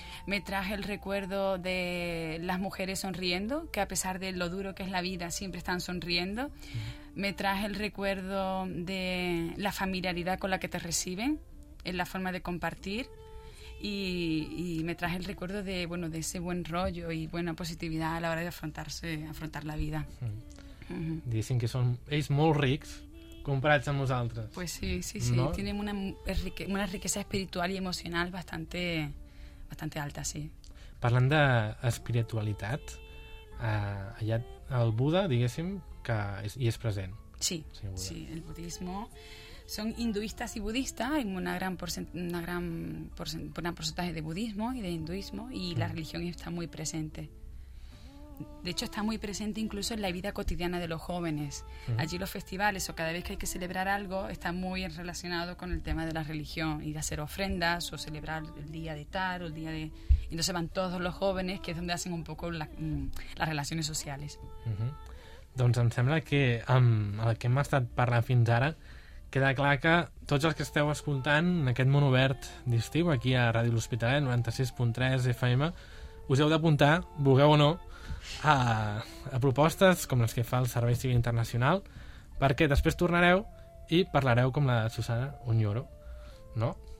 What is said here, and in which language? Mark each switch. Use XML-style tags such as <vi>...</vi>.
<ca>Me traje el recuerdo de las mujeres sonriendo, que a pesar de lo duro que es la vida, siempre están sonriendo. Me traje el recuerdo de la familiaridad con la que te reciben, en la forma de compartir, y me traje el recuerdo de, bueno, de ese buen rollo y buena positividad a la hora de afrontar la vida.</ca> <es>Dicen que son</es> <ca>ells molt rics comparats amb nosaltres.</ca> <es>Pues sí, sí, sí, no? Tienen una riqueza espiritual y emocional bastante, bastante alta, sí.</es> <ca>Parlant d'espiritualitat, allà el Buda, diguéssim, que és, hi és present.</ca> <es>Sí, sí, el budismo. Son hinduistas y budistas, hay una gran porcentaje de budismo y de hinduismo, y la religión está muy presente. De hecho, está muy presente incluso en la vida cotidiana de los jóvenes. Allí los festivales, o cada vez que hay que celebrar algo, está muy relacionado con el tema de la religión, ir a hacer ofrendas o celebrar el día de tal o el día de... Entonces van todos los jóvenes, que es donde hacen un poco las relaciones sociales.</es> <ca>Doncs em sembla que amb el que hem estat parlant fins ara queda clar que tots els que esteu escoltant en aquest Món Obert d'estiu aquí a Ràdio L'Hospitalet 96.3 FM us heu d'apuntar, vulgueu o no, a propostes com les que fa el Servei Civil Internacional, perquè després tornareu i parlareu com la Susana Unyoro, no?</ca>